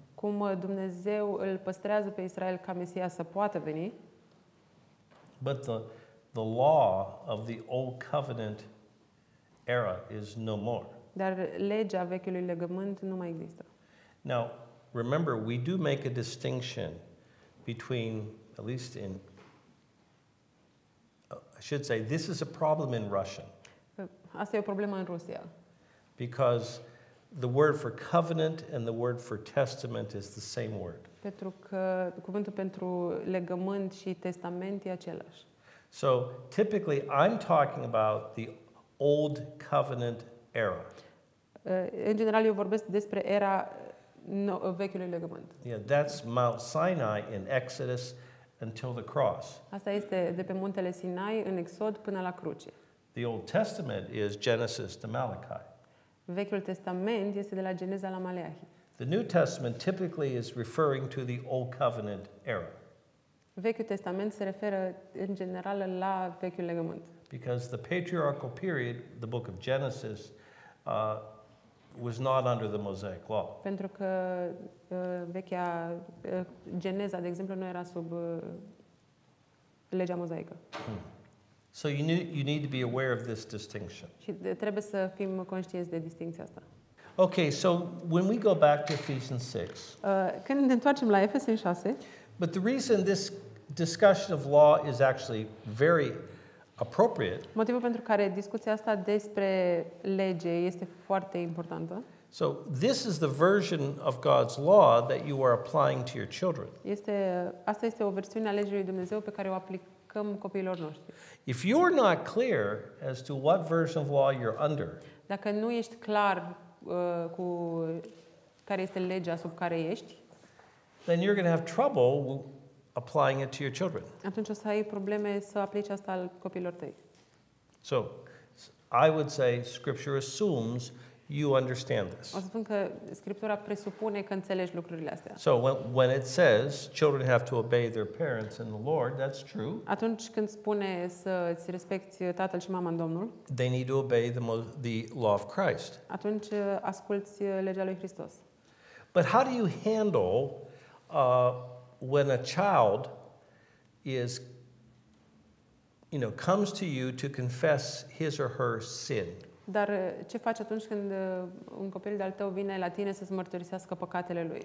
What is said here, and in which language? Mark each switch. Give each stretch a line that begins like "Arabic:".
Romanian: Cum Dumnezeu îl păstrează pe Israel ca Mesia să poată veni.
English: But the law of the old covenant era is no more.
Romanian: Dar legea vechiului legământ nu mai există.
English: Now, remember, we do make a distinction between, at least in, I should say, this is a problem in Russian.
Romanian: Asta e o problemă în Rusia.
English: Because the word for covenant and the word for testament is the same word.
Romanian: Pentru că cuvântul pentru legământ și testament e același.
English: So, typically, I'm talking about the old covenant era.
Romanian: În general, eu vorbesc despre era vechiului legământ.
English: Yeah, that's Mount Sinai in Exodus until the cross.
Romanian: Asta este de pe muntele Sinai în Exod până la cruce.
English: The Old Testament is Genesis to Malachi.
Romanian: Vechiul Testament este de la Geneza la Maleahi.
English: The New Testament typically is referring to the old covenant era.
Romanian: Vechiul Testament se referă în general la vechiul legământ.
English: Because the patriarchal period, the book of Genesis, was not under the Mosaic law.
Romanian: Pentru că vechea Geneza, de exemplu, nu era sub legea mozaică.
English: So you need to be aware of this distinction.
Romanian: Și trebuie să fim conștienți de distinția asta.
English: Okay, so when we go back to Ephesians 6.
Romanian: Când ne întoarcem la Efeseni 6.
English: But the reason this discussion of law is actually very appropriate.
Romanian: Motivul pentru care discuția asta despre lege este foarte importantă.
English: So this is the version of God's law that you are applying to your children.
Romanian: Asta este o versiune a legii lui Dumnezeu pe care o aplicăm copiilor noștri.
English: If you're not clear as to what version of law you're under.
Romanian: Dacă nu ești clar cu care este legea sub care ești,
English: then you're going to have trouble applying it to your children.
Romanian: Atunci o să ai probleme să aplici asta al copiilor tăi.
English: So, I would say scripture assumes you understand this.
Romanian: O să spun că scriptura presupune că înțelegi lucrurile astea.
English: So, when it says children have to obey their parents in the Lord, that's true.
Romanian: Atunci când spune să îți respecti tatăl și mama în Domnul,
English: they need to obey the law of Christ.
Romanian: Atunci asculți legea lui Hristos.
English: But how do you handle when a child is, you know, comes to you to confess his or her sin.
Romanian: Dar ce faci atunci când un copil de-al tău vine la tine să-ți mărturisească păcatele lui?